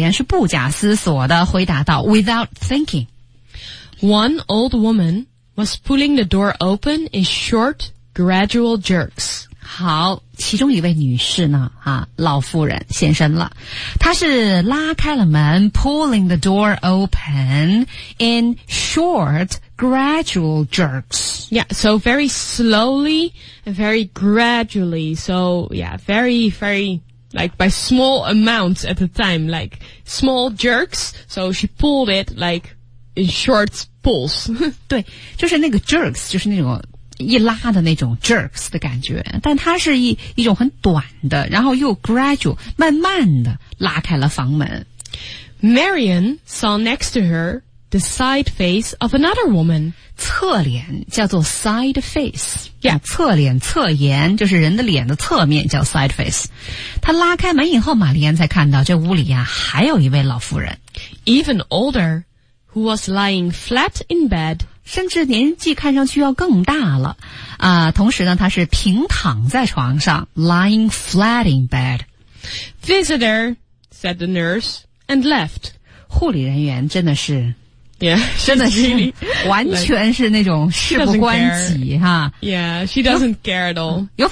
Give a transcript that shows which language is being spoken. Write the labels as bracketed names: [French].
[Chinese] 情况毫不了解。两位什么？玛丽安是不假思索地回答道, [English] without thinking. One old woman was pulling the door open in short, gradual jerks. [Chinese] 好,其中一位女士呢,老妇人现身了。她是拉开了门, [English] pulling the door open in short, gradual jerks. Yeah, so very slowly and very gradually. So, yeah, very, very, like by small amounts at the time, like small jerks. So she pulled it like in short pulls. [Chinese] 对,就是那个jerks,就是那种 一拉的那种 jerks 的感觉，但它是一种很短的，然后又 gradual 慢慢的拉开了房门。Marion [English] saw next to her the side face of another woman. [Chinese] 侧脸叫做 side face. [English] Yeah, [Chinese] 侧脸侧颜就是人的脸的侧面叫 side face. 她拉开门以后，玛丽安才看到这屋里呀还有一位老妇人，even [English] older, who was lying flat in bed. [Chinese] 甚至年纪看上去要更大了，同时呢，她是平躺在床上 ， [English] lying flat in bed. Visitor, said the nurse, and left. [Chinese] 护理人员真的是 [English] ，yeah, [Chinese] 真的是 完全是那种事不关己哈。 [English] Yeah, she doesn't care at all.